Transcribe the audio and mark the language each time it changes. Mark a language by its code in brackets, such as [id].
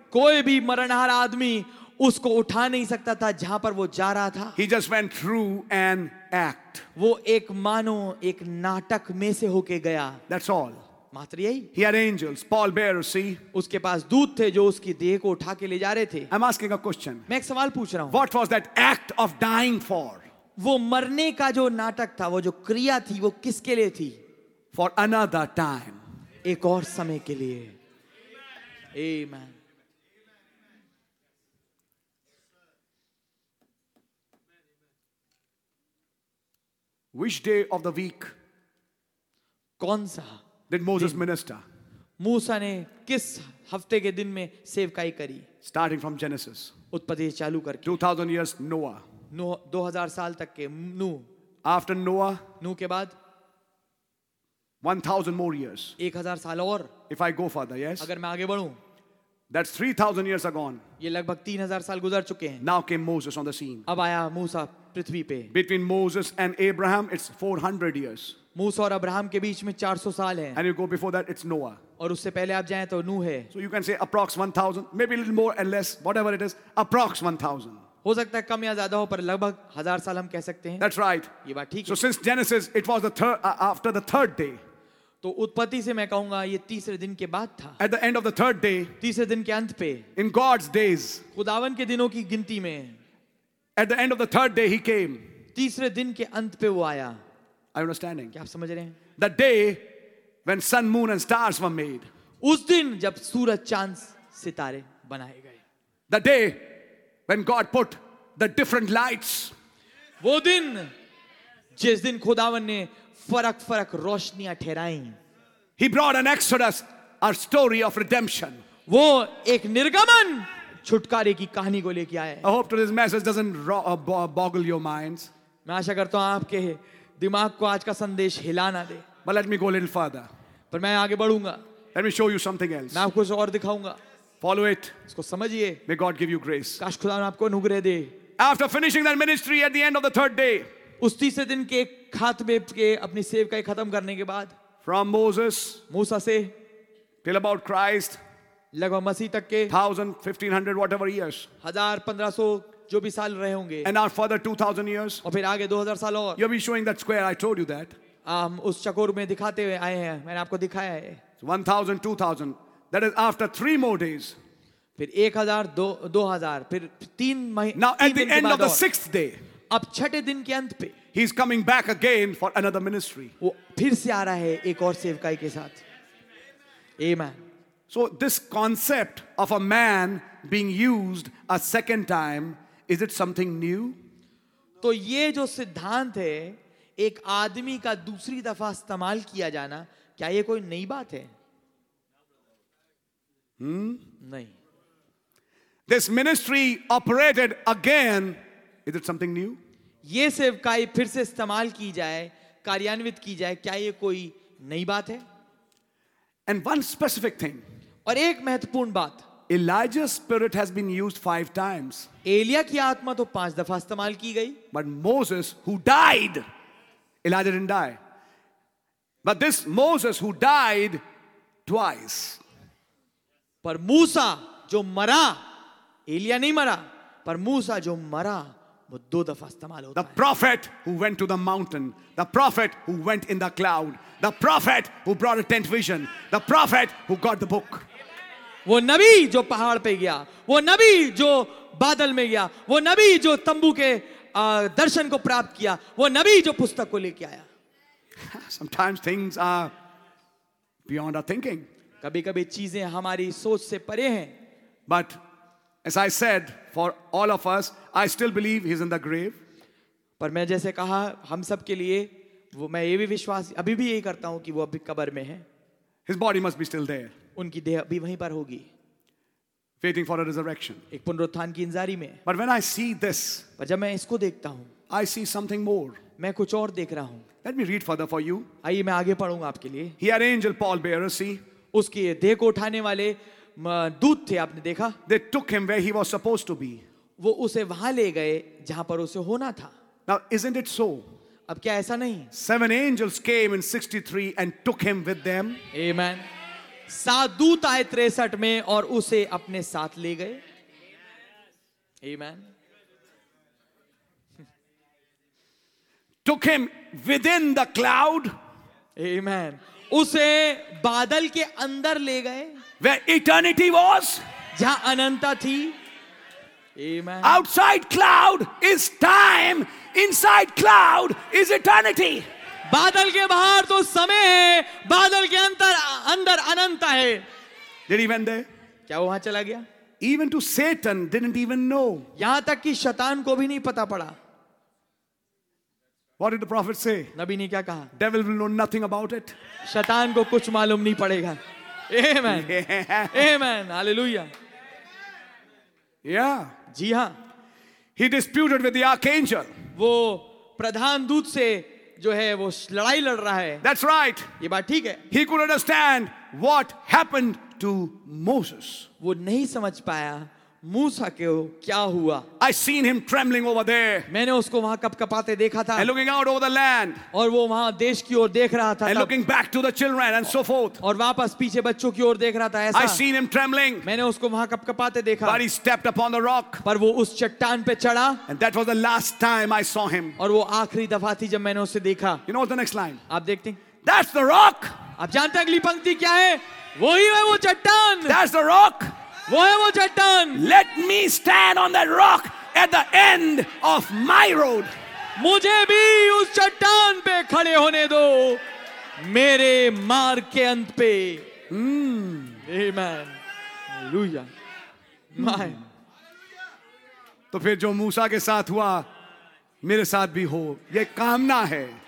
[hi] कोई भी मरणहार आदमी उसको उठा नहीं सकता था जहां पर वो जा रहा था। [en] He just went through an act. [hi] वो एक मानो एक नाटक में से होके गया। [en] That's all. [hi] मात्र यही। [en] He had angels, Paul bearers, see? [hi] उसके पास दूत थे जो उसकी देह को उठा के ले जा रहे थे। [en] I'm asking a question. [hi] मैं एक सवाल पूछ रहा हूं। [en] What was that act of dying for? [hi] वो मरने का जो नाटक था, वो जो क्रिया थी, वो किसके लिए थी? [en] For another time. [hi] एक और समय के लिए। Amen. [en] Which day of the week? [hi] कौन सा? [en] Did Moses minister? [hi] मूसा ने किस हफ्ते के दिन में सेवकाई करी? [en] Starting from Genesis. [hi] उत्पत्ति चालू करके। [en] 2000 years Noah. [hi] 2000 साल तक के नूह। [en] After Noah. [hi] नूह के बाद। [en] 1000 more years. [hi] 1000 साल और। [en] If I go further, yes. [hi] अगर मैं आगे बढूं। [en] That's 3000 years are gone. [hi] ये लगभग 3000 साल गुजर चुके हैं। [en] Now came Moses on the scene. [hi] अब आया मूसा पृथ्वी पे। [en] Between Moses and Abraham, it's 400 years. [hi] मूसा और अब्राहम के बीच में 400 साल हैं। [en] And you go before that, it's Noah. [hi] और उससे पहले आप जाएं तो नूह है। [en] So you can say approx 1000, maybe a little more and less, whatever it is, approx 1000. [hi] हो सकता है कम या ज्यादा हो, पर लगभग 1000 साल हम कह सकते हैं। [en] That's right. [hi] ये बात ठीक है। [en] So since Genesis, it was the third, after the third day. [hi] तो उत्पत्ति से मैं कहूंगा ये तीसरे दिन के बाद था। [en] At the end of the third day. [hi] तीसरे दिन के अंत पे। [en] In God's days. [hi] खुदावन के दिनों की गिनती में। [en] At the end of the third day, he came. [hi] तीसरे दिन के अंत पे वो आया। [en] Are you understanding? [hi] क्या आप समझ रहे हैं? [en] The day when sun, moon, and stars were made. [hi] उस दिन जब सूरज, चांद, सितारे बनाए गए। [en] The day when God put the different lights. [hi] वो दिन जिस दिन खुदावन ने फरक-फरक रोशनियां ठहराईं। [en] He brought an exodus, a story of redemption. [hi] वो एक निर्गमन, छुटकारे की कहानी को लेके आए। [en] I hope today's message doesn't boggle your minds. [hi] मैं आशा करता हूँ आपके दिमाग को आज का संदेश हिला ना दे। [en] But let me go a little further. [hi] पर मैं आगे बढ़ूंगा। [en] Let me show you something else. [hi] मैं आपको कुछ और दिखाऊंगा। [en] Follow it. [hi] इसको समझिए। [en] May God give you grace. [hi] काश खुदा आपको अनुग्रह दे। [en] After finishing that ministry at the end of the third day. [hi] उस तीसरे दिन के खात्मे के अपनी सेवकाई खत्म करने के बाद। [en] From Moses. [hi] मूसा से। [en] Till about Christ. [hi] लगभग मसीह तक के। [en] 1500 whatever years. [hi] 1500 जो भी साल रहे होंगे। [en] And our further 2000 years. [hi] और फिर आगे 2000 साल और। [en] You'll be showing that square. I told you that. [hi] उस चकोर में दिखाते हुए आए हैं। मैंने आपको दिखाया है। 1000, 2000. [en] That is after three more days. [hi] फिर 1000, 2000, फिर 3 महीने। [en] Now at the end of the sixth day. [hi] अब छठे दिन के अंत पे। [en] He's coming back again for another ministry. [hi] वो फिर से आ रहा है एक और सेवकाई के साथ। [en] Amen. So this concept of a man being used a second time. Is it something new? [hi] तो ये जो सिद्धांत है, एक आदमी का दूसरी दफा इस्तेमाल किया जाना, क्या ये कोई नई बात है? हम्म? नहीं। [en] This ministry operated again. Is it something new? [hi] ये सेवकाई फिर से इस्तेमाल की जाए, कार्यान्वित की जाए, क्या ये कोई नई बात है? [en] And one specific thing. [hi] और एक महत्वपूर्ण बात. [en] Elijah's spirit has been used 5 times. [hi] Elia की आत्मा तो 5 दफा इस्तेमाल की गई. [en] But Moses, who died, Elijah didn't die. But this Moses, who died, twice. [hi] पर मूसा जो मरा, एलिया नहीं मरा, पर मूसा जो मरा, वो 2 दफा इस्तेमाल होता है. [en] The prophet who went to the mountain, the prophet who went in the cloud, the prophet who brought a tent vision, the prophet who got the book. [hi] वो नबी जो पहाड़ पे गया, वो नबी जो बादल में गया, वो नबी जो तंबू के दर्शन को प्राप्त किया, वो नबी जो पुस्तक को लेके आया. [en] Sometimes things are beyond our thinking. [hi] कभी-कभी चीजें हमारी सोच से परे हैं. [en] But as I said, for all of us, I still believe he's in the grave. [hi] पर मैं जैसे कहा, हम सब के लिए वो, मैं ये भी विश्वास अभी भी यही करता हूँ कि वो अभी कब्र में हैं. [en] His body must be still there. [hi] उनकी देह अभी वहीं पर होगी. [en] Waiting for a resurrection. [hi] एक पुनरुत्थान की इंतजारी में. [en] But when I see this, [hi] पर जब मैं इसको देखता हूँ, [en] I see something more. [hi] मैं कुछ और देख रहा हूँ. [en] Let me read further for you. [hi] आइए मैं आगे पढ़ूंगा आपके लिए. [en] He had angel Paul bearer, see? [hi] उसके देह को उठाने वाले दूत थे, आपने देखा? [en] They took him where he was supposed to be. [hi] वो उसे वहां ले गए जहां पर उसे होना था. [en] Now isn't it so? [hi] अब क्या ऐसा नहीं? [en] 7 angels came in 63 and took him with them. Amen. [hi] 7 दूत आए 63 में और उसे अपने साथ ले गए. [en] Amen. Took him within the cloud. [hi] Amen. उसे बादल के अंदर ले गए. [en] Where eternity was. [hi] जहां अनंतता थी. Amen. [en] Outside cloud is time. Inside cloud is eternity. [hi] बादल के बाहर तो समय है, बादल के अंदर अनंतता है. [en] Did he went there? [hi] क्या वो वहां चला गया? [en] Even to Satan didn't even know. [hi] यहां तक कि शैतान को भी नहीं पता पड़ा. [en] What did the prophet say? [hi] नबी ने क्या कहा? [en] Devil will know nothing about it. [hi] शैतान को कुछ मालूम नहीं पड़ेगा. [en] Amen. Yeah. Amen. Hallelujah. Yeah. [hi] जी हाँ. [en] He disputed with the archangel. [hi] वो प्रधान दूत से जो है वो लड़ाई लड़ रहा है. [en] That's right. [hi] ये बात ठीक है. [en] He could understand what happened to Moses. [hi] वो नहीं समझ पाया मूसा के वो क्या हुआ. [en] I seen him trembling over there. [hi] मैंने उसको वहां कपकपाते देखा था. [en] And looking out over the land. [hi] और वो वहां देश की ओर देख रहा था. [en] And looking back to the children and so forth. [hi] और वापस पीछे बच्चों की ओर देख रहा था ऐसा. [en] I seen him trembling. [hi] मैंने उसको वहां कपकपाते देखा. [en] But he stepped upon the rock. [hi] पर वो उस चट्टान पे चढ़ा. [en] And that was the last time I saw him. [hi] और वो आखिरी दफा थी जब मैंने उसे देखा. [en] You know the next line. [hi] आप देखते हैं. [en] That's the rock. [hi] आप जानते हैं अगली पंक्ति क्या है? वही है वो चट्टान. [en] That's the rock. [hi] वो है वो चट्टान. [en] Let me stand on that rock at the end of my road. [hi] मुझे भी उस चट्टान पे खड़े होने दो मेरे मार्ग के अंत पे. [en] Amen. Hallelujah. My. [hi] तो फिर जो मूसा के साथ हुआ मेरे साथ भी हो, ये कामना है.